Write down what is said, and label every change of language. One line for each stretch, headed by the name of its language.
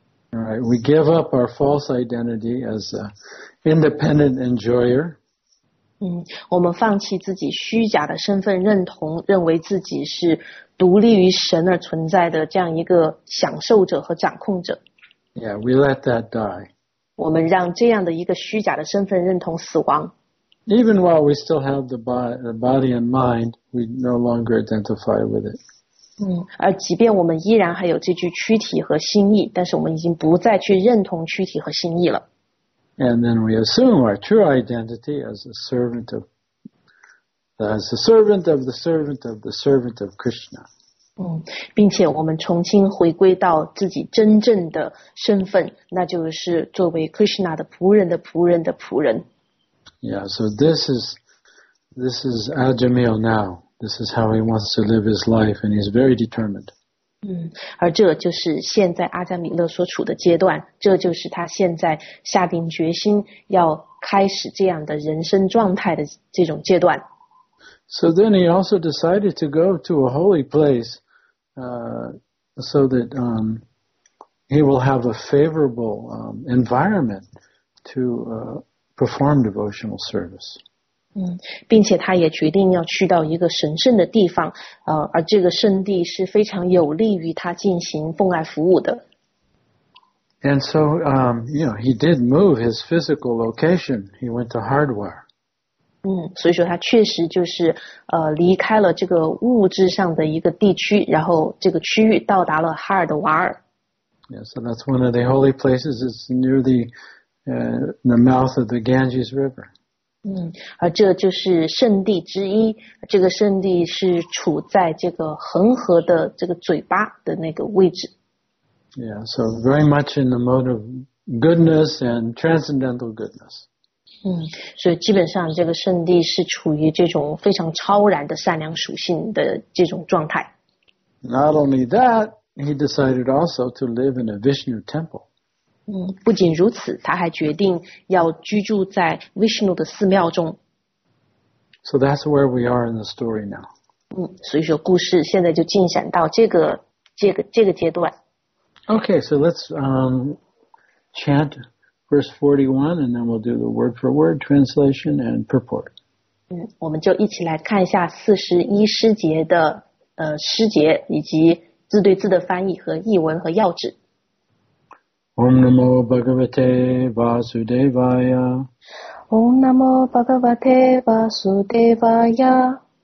English: All right, we give up our false identity as a independent enjoyer.
Chinese: 我们放弃自己虚假的身份认同，认为自己是独立于神而存在的这样一个享受者和掌控者。
English: Yeah, we let that die.
Chinese: 我们让这样的一个虚假的身份认同死亡。
English: Even while we still have the body and mind, we no longer identify with it.
Chinese: 而即便我们依然还有这具躯体和心意，但是我们已经不再去认同躯体和心意了。
English: And then we assume our true identity as a servant of the servant of the servant of Krishna.
Chinese: 并且我们重新回归到自己真正的身份，那就是作为 Krishna 的仆人的仆人的仆人。
English: Yeah, so this is Ajamil now. This is how he wants to live his life, and he's very determined.
Chinese: 而这就是现在阿加米勒所处的阶段，这就是他现在下定决心要开始这样的人生状态的这种阶段。
English: So then he also decided to go to a holy place, so that he will have a favorable environment to perform devotional service.
Chinese: 并且他也决定要去到一个神圣的地方，而这个圣地是非常有利于他进行奉爱服务的。
English: And so, he did move his physical location. He went to Hardwar.
Chinese: 所以说他确实就是离开了这个物质上的一个地区，然后这个区域到达了哈尔德瓦尔。
English: Yeah, so that's one of the holy places. It's near the mouth of the Ganges River.
Chinese: 而这就是圣地之一，这个圣地是处在这个恒河的这个嘴巴的那个位置。
English: Yeah, so very much in the mode of goodness and transcendental goodness.
Chinese: 所以基本上这个圣地是处于这种非常超然的善良属性的这种状态。
English: Not only that, he decided also to live in a Vishnu temple.
Chinese: 不仅如此，他还决定要居住在 Vishnu 的寺庙中。
English: So that's where we are in the story now.
Chinese: 所以说故事现在就进展到这个阶段。
English: Okay, so let's chant verse 41, and then we'll do the word for word translation and purport.
Chinese: 我们就一起来看一下41诗节的诗节以及字对字的翻译和译文和要旨。
Sanskrit: Om Namo Bhagavate Vasudevaya. Om Namo Bhagavate Vasudevaya.